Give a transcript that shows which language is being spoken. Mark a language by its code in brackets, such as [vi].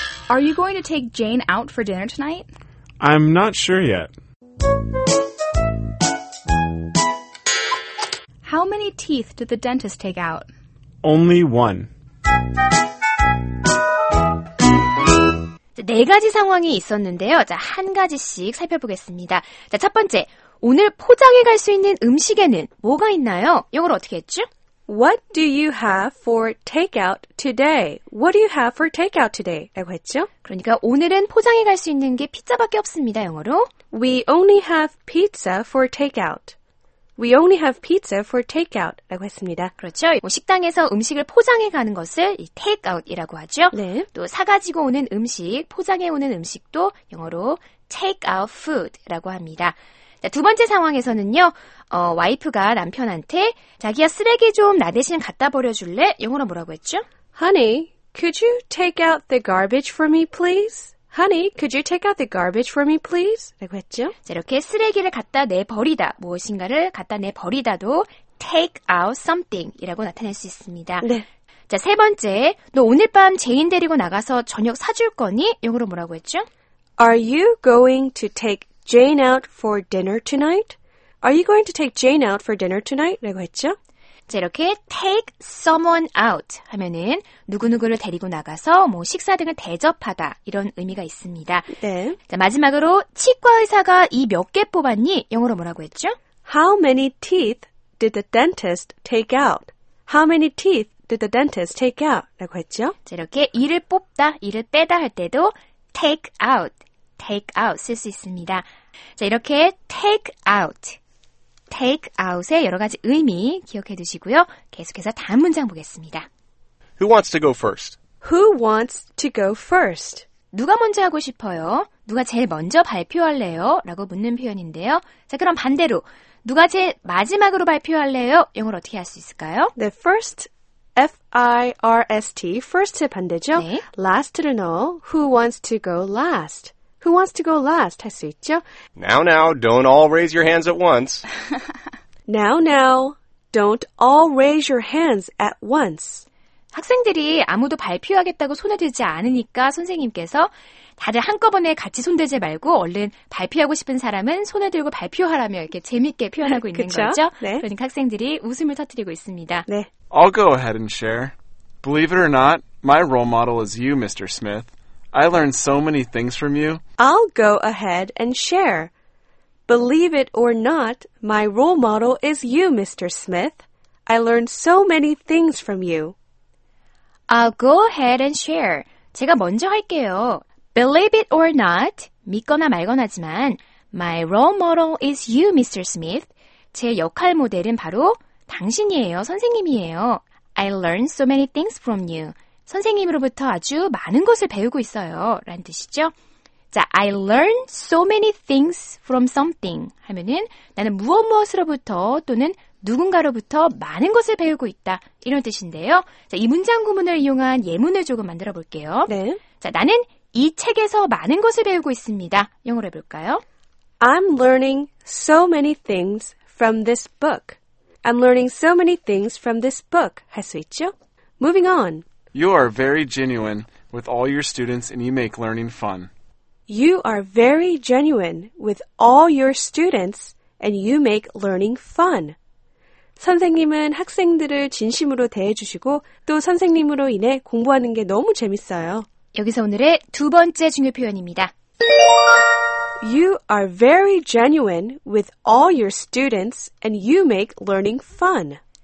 [en] Are you going to take Jane out for dinner tonight? I'm not sure yet. How many teeth did the dentist take out? Only one. [ko] 네 가지 상황이 있었는데요. 자, 한 가지씩 살펴보겠습니다. 자, 첫 번째, 오늘 포장해 갈 수 있는 음식에는 뭐가 있나요? 영어로 어떻게 했죠? [en] What do you have for takeout today? What do you have for takeout today? [ko] 라고 했죠? 그러니까 오늘은 포장해 갈 수 있는 게 피자밖에 없습니다. 영어로. [en] We only have pizza for takeout. We only have pizza for takeout [ko] 라고 했습니다. 그렇죠. 식당에서 음식을 포장해 가는 것을 takeout이라고 하죠. 네. 또 사가지고 오는 음식, 포장해 오는 음식도 영어로 takeout food 라고 합니다. 자, 두 번째 상황에서는요. 와이프가 남편한테 자기야 쓰레기 좀 나 대신 갖다 버려줄래? 영어로 뭐라고 했죠? [en] Honey, could you take out the garbage for me, please? Honey, could you take out the garbage for me, please? [ko] 라고 했죠. 자, 이렇게 쓰레기를 갖다 내버리다, 무엇인가를 갖다 내버리다도 take out something이라고 나타낼 수 있습니다. 네. 자, 세 번째, 너 오늘 밤 제인 데리고 나가서 저녁 사줄 거니? 영어로 뭐라고 했죠? [en] Are you going to take Jane out for dinner tonight? Are you going to take Jane out for dinner tonight? [ko] 라고 했죠. 자, 이렇게 take someone out 하면은 누구누구를 데리고 나가서 뭐 식사 등을 대접하다 이런 의미가 있습니다. 네. 자, 마지막으로 치과 의사가 이 몇 개 뽑았니? 영어로 뭐라고 했죠? [en] How many teeth did the dentist take out? How many teeth did the dentist take out? [ko] 라고 했죠. 자, 이렇게 이를 뽑다, 이를 빼다 할 때도 take out, take out 쓸 수 있습니다. 자, 이렇게 take out. Take out의 여러 가지 의미 기억해 두시고요. 계속해서 다음 문장 보겠습니다. [en] Who wants to go first? Who wants to go first? [ko] 누가 먼저 하고 싶어요? 누가 제일 먼저 발표할래요? 라고 묻는 표현인데요. 자, 그럼 반대로 누가 제일 마지막으로 발표할래요? 영어로 어떻게 할 수 있을까요? The first, F-I-R-S-T, first의 반대죠. 네. Last를 넣어 [en] Who wants to go last? Who wants to go last? [ko] 할 수 있죠? [en] Now, now, don't all raise your hands at once. Now, now, don't all raise your hands at once. [ko] 학생들이 아무도 발표하겠다고 손을 들지 않으니까 선생님께서 다들 한꺼번에 같이 손들지 말고 얼른 발표하고 싶은 사람은 손을 들고 발표하라며 이렇게 재밌게 표현하고 있는 거죠. 네. 그러니까 학생들이 웃음을 터뜨리고 있습니다. 네. [en] I'll go ahead and share. Believe it or not, my role model is you, Mr. Smith. I learned so many things from you. I'll go ahead and share. Believe it or not, my role model is you, Mr. Smith. I learned so many things from you. I'll go ahead and share. [ko] 제가 먼저 할게요. [en] Believe it or not, [ko] 믿거나 말거나지만, [en] my role model is you, Mr. Smith. [ko] 제 역할 모델은 바로 당신이에요, 선생님이에요. [en] I learned so many things from you. [ko] 선생님으로부터 아주 많은 것을 배우고 있어요. 라는 뜻이죠. 자, [en] I learn so many things from something [ko] 하면은 나는 무엇무엇으로부터 또는 누군가로부터 많은 것을 배우고 있다. 이런 뜻인데요. 자, 이 문장 구문을 이용한 예문을 조금 만들어 볼게요. 네. 자, 나는 이 책에서 많은 것을 배우고 있습니다. 영어로 해볼까요? [en] I'm learning so many things from this book. I'm learning so many things from this book. [ko] 할 수 있죠? [en] Moving on. You are very genuine with all your students and you make learning fun. You are very genuine with all your students and you make learning fun. [ko] 선생님은 학생들을 진심으로 대해주시고 또 선생님으로 인해 공부하는 게 너무 재밌어요. 여기서 오늘의 두 번째 중요 표현입니다. [en] You are very genuine with all your students and you make learning fun.